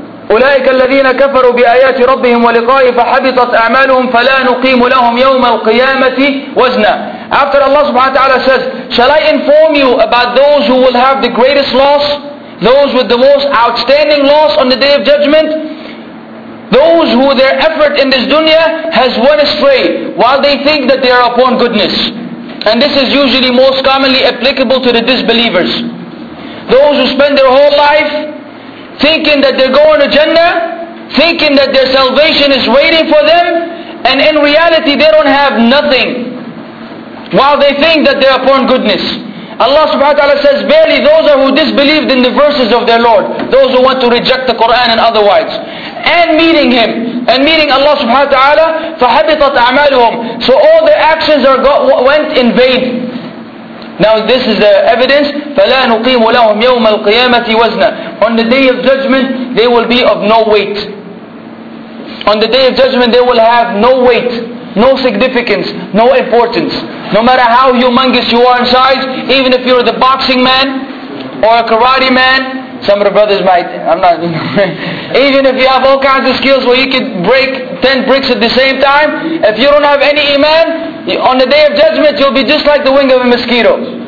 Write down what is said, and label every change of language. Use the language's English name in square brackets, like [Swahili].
[Arabic] أولئك الذين كفروا بآيات ربهم ولقائه فحبطت أعمالهم فلا نقيم لهم يوم القيامة وزنا. [English] After Allah subhanahu wa ta'ala says, shall I inform you about those who will have the greatest loss, those with the most outstanding loss on the Day of Judgment? Those who their effort in this dunya has went astray while they think that they are upon goodness. And this is usually most commonly applicable to the disbelievers. Those who spend their whole life thinking that they're going to Jannah, thinking that their salvation is waiting for them, and in reality they don't have nothing, while they think that they're upon goodness. Allah subhanahu wa ta'ala says, verily those are who disbelieved in the verses of their Lord, those who want to reject the Quran and otherwise, and meeting Him, and meeting Allah subhanahu wa ta'ala, [Arabic] فَحَبِطَتْ أَعْمَالُهُمْ. [English] So all their actions went in vain. Now this is the evidence, [Arabic] فَلَا نُقِيمُ لَهُمْ يَوْمَ الْقِيَامَةِ وَزْنًا. [English] On the Day of Judgment, they will be of no weight. On the Day of Judgment, they will have no weight, no significance, no importance. No matter how humongous you are in size, even if you're the boxing man, or a karate man, some of the brothers might, I'm not, even if you have all kinds of skills where you can break 10 bricks at the same time, if you don't have any iman, on the Day of Judgment, you'll be just like the wing of a mosquito.